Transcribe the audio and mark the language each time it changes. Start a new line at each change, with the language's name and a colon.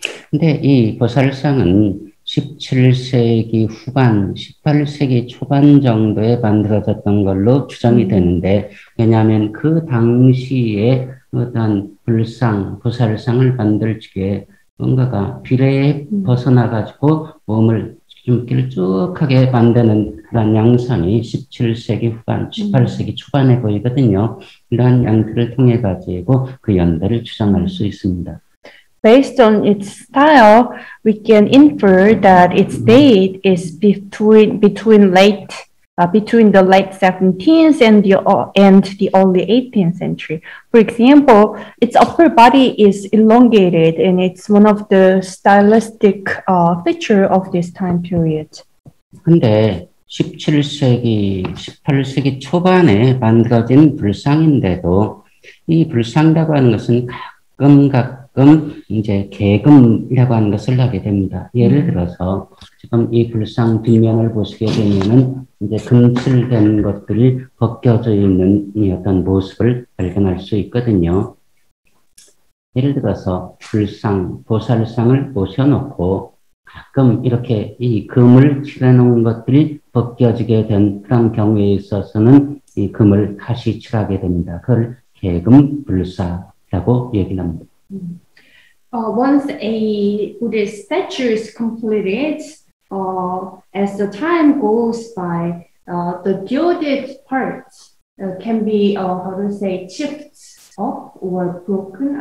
Korean: 근데 이 보살상은 17세기 후반, 18세기 초반 정도에 만들어졌던 걸로 추정이 되는데 왜냐하면 그 당시에 어떤 불상, 보살상을 만들기에 뭔가가 비례에 벗어나가지고 몸을 길쭉하게 만드는 그런 양상이 17세기 후반, 18세기 초반에 보이거든요. 이러한 양태를 통해 가지고 그 연대를 추정할 수 있습니다.
English: Based on its style, we can infer that its date is between the late 17th and the early 18th century. For example, its upper body is elongated, and it's one of the stylistic feature of this time period.
Korean: 근데 17세기, 18세기 초반에 만들어진 불상인데도 이 불상이라고 하는 것은 가끔 이제 계금이라고 하는 것을 하게 됩니다. 예를 들어서 지금 이 불상 뒷면을 보시게 되면은 이제 금칠된 것들이 벗겨져 있는 이 어떤 모습을 발견할 수 있거든요. 예를 들어서 불상 보살상을 모셔놓고 가끔 이렇게 이 금을 칠해놓은 것들이 벗겨지게 된 그런 경우에 있어서는 이 금을 다시 칠하게 됩니다. 그걸 계금 불사라고 얘기합니다.
English: Once a Buddhist statue is completed, as the time goes by, the gilded parts can be, chipped off or broken.